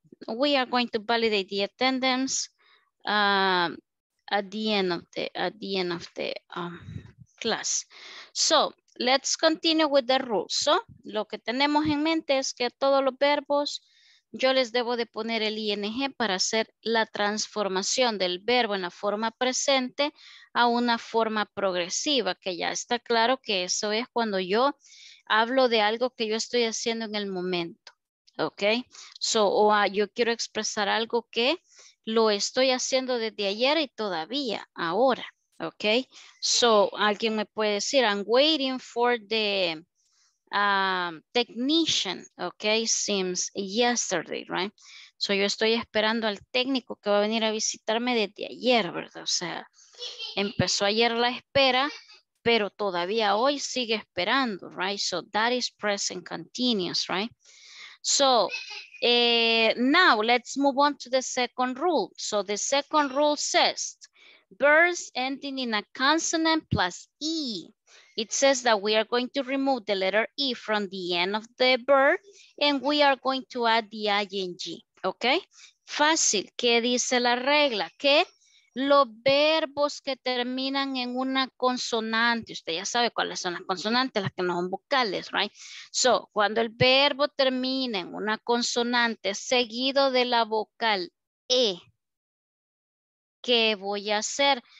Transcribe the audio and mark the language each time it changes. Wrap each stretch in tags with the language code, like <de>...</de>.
<en>We are going to validate the attendance at the end of the class. So, let's continue with the rules.</en> <es>So, lo que tenemos en mente es que todos los verbos yo les debo de poner el ing para hacer la transformación del verbo en la forma presente a una forma progresiva, que ya está claro que eso es cuando yo hablo de algo que yo estoy haciendo en el momento. Ok, so, o yo quiero expresar algo que lo estoy haciendo desde ayer y todavía ahora. Ok, so alguien me puede decir,</es> <en>I'm waiting for the technician. Ok, since yesterday, right?</en> <es>So yo estoy esperando al técnico que va a venir a visitarme desde ayer, ¿verdad? O sea, empezó ayer la espera, pero todavía hoy sigue esperando, right?</es> <en>So that is present continuous, right? So, now let's move on to the second rule. So the second rule says, verbs ending in a consonant plus E. It says that we are going to remove the letter E from the end of the verb and we are going to add the ing, okay?</en> <es>Fácil, ¿qué dice la regla? Que los verbos que terminan en una consonante, usted ya sabe cuáles son las consonantes, las que no son vocales, right? So, cuando el verbo termina en una consonante seguido de la vocal E, ¿qué voy a hacer?</es>